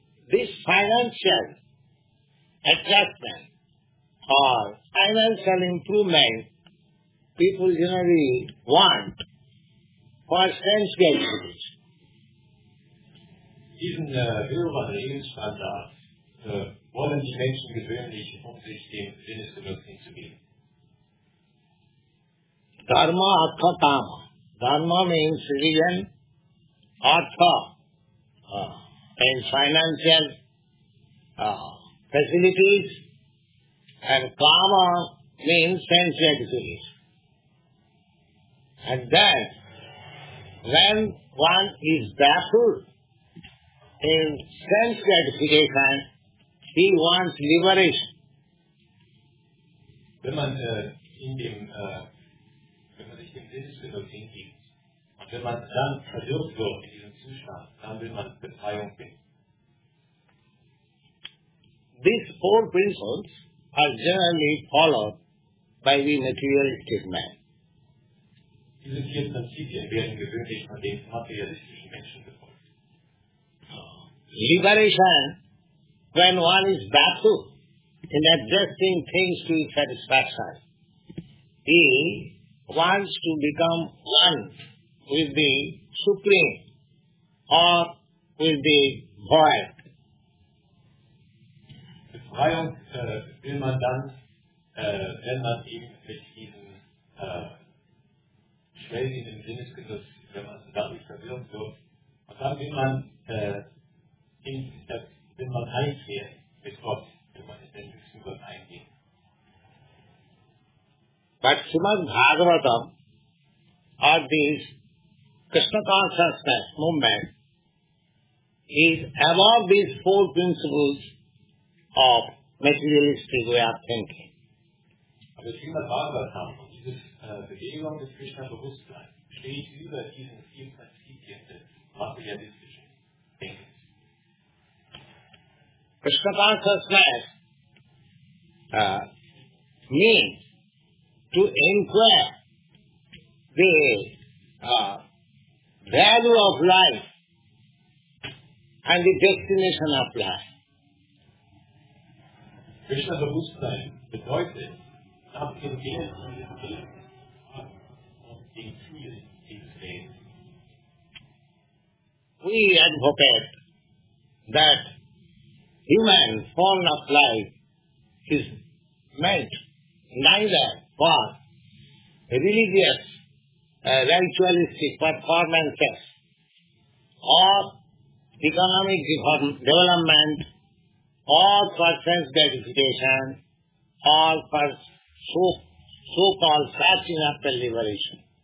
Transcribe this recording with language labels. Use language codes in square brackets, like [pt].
[en] This financial adjustment or financial improvement people generally want for sense gains. [de] Diesen höheren Lebensstandard wollen die Menschen gewöhnlich, um sich dem Sinnesgenuss hinzugeben. [en] Dharma artha kama. Dharma means religion, artha means financial facilities, and kama means sense activities. And that, when one is baffled in sense gratification, he wants liberation. [de] Wenn man sich dem Sinnesgenuss hingibt, und wenn man dann verwirrt wird in diesem Zustand, dann will man Befreiung finden. [en] These four principles are generally followed by the materialistic man. [de] Diese vier Prinzipien werden gewöhnlich von den materialistischen Menschen befolgt. [en] Liberation. When one is baffled in adjusting things to his satisfaction, he wants to become one with the Supreme or with the Void. [de] Befreiung will man dann, wenn man ihm mit diesem schwelgenden Sinnesgenuss, wenn man dadurch verwirrt wird, und dann will man in das wenn man eins wird mit Gott, wenn man in den höchsten Gott eingeht. [en] But Srimad Bhagavatam or this Krishna consciousness movement is above these four principles of materialistic way of thinking. [de] Aber Srimad Bhagavatam und diese Bewegung des Krishna Bewusstseins steht über diesen vier Prinzipien des materialistischen Denkens. [en] Krishna consciousness means to inquire the value of life and the destination of life. [de] Krishna Bewusstsein bedeutet, nach dem Wert dieses Lebens und dem Ziel dieses Lebens. [en] We advocate that human form of life is meant neither for religious ritualistic performances or economic development or for sense gratification or for so-called searching after liberation.